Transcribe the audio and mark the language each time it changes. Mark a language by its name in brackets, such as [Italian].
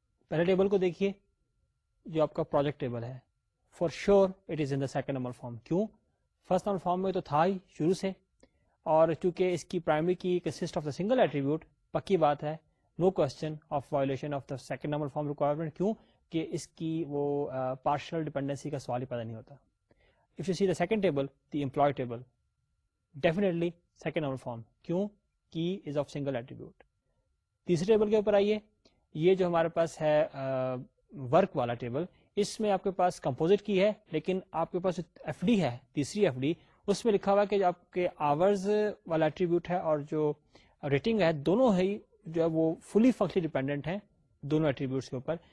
[Urdu] پہلے ٹیبل کو دیکھیے جو آپ کا پروجیکٹ ٹیبل ہے, [English] For sure it is in the second normal form. [Urdu] کیوں؟ فرسٹ نارمل فارم میں تو تھا ہی شروع سے, اور چونکہ اس کی primary key [English] consist of the single attribute, [Urdu] پکی بات ہے [English] No question of violation of the second normal form requirement. [Urdu] کیوں؟ کہ اس کی وہ پارشل ڈیپینڈنسی کا سوال ہی پیدا نہیں ہوتا. [English] If you see the second table the employee table definitely second normal form, کیوں؟ Key is of single attribute. [Urdu] تیسرے ٹیبل کے اوپر آئیے, یہ جو ہمارے پاس ہے ورک والا ٹیبل, اس میں آپ کے پاس کمپوزٹ کی ہے, لیکن آپ کے پاس ایف ڈی ہے تیسری ایف ڈی, اس میں لکھا ہوا کہ جو آپ کے آورز والا ایٹریبیوٹ ہے اور جو ریٹنگ ہے دونوں ہی جو ہے وہ فلی فنکشنلی ڈیپینڈنٹ ہیں دونوں ایٹریبیوٹس کے اوپر.